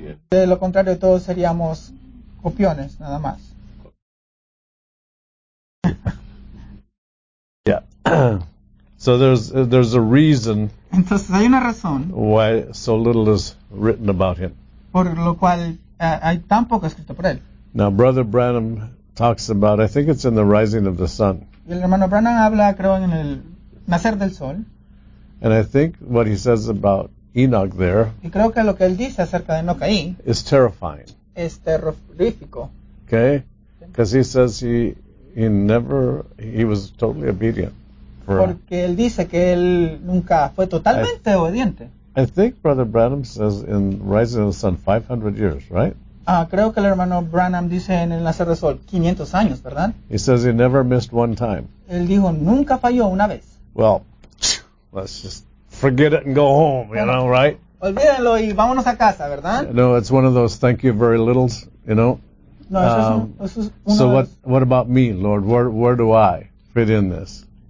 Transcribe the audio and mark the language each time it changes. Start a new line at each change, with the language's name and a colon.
Spanish: De lo contrario, todos seríamos copiones, nada más.
English: Yeah. So there's a reason.
Spanish: Entonces hay una razón.
English: Why so little is written about him.
Spanish: Por lo cual hay tan poco escrito por él.
English: Now Brother Branham talks about, I think it's in the Rising of the Sun.
Spanish: Y el hermano Branham habla, creo, en el Nacer del Sol.
English: And I think what he says about Enoch there.
Spanish: Y creo que lo que él dice acerca de Enoch ahí
English: is terrifying.
Spanish: Es terrorífico.
English: Okay? Because he says he was totally obedient.
Spanish: Porque él dice que él nunca fue totalmente obediente.
English: I think Brother Branham says in Rising of the Sun 500 years, right?
Spanish: Creo que el hermano Branham dice en el Nacer del Sol 500 años, ¿verdad?
English: He says he never missed one time.
Spanish: Él dijo nunca falló una vez.
English: Well, let's just forget it and go home, you know, right?
Spanish: Olvídalo y vámonos a casa, ¿verdad?
English: No, it's one of those thank you very littles, you know.
Spanish: No, eso es uno
English: so what about me, Lord? Where do I? fit in this?